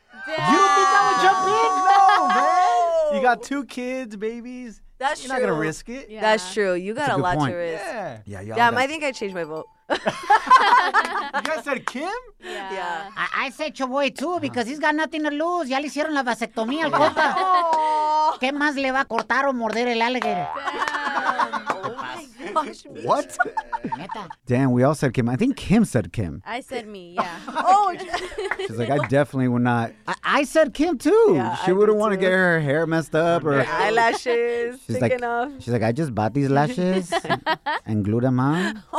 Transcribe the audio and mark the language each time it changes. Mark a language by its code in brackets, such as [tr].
[en] You don't think I would jump in? No, man. You got two kids, babies. That's You're true. Not gonna risk it. Yeah. That's true. You got a lot point. To risk. Yeah. Yeah. Damn, I think I changed my vote. You guys said Kim? Yeah. Yeah. I said Choboy too because he's got nothing to lose. [es] Ya le hicieron la vasectomía al cota. ¿Qué más le va a cortar o morder el alligator? [en] Gosh, what? Damn, we all said Kim. I think Kim said Kim. I said me, yeah. Oh, she's like, I definitely would not. I said Kim too. Yeah, she wouldn't want to get her hair messed up or her eyelashes. She's like, enough. She's like, I just bought these lashes and glued them on.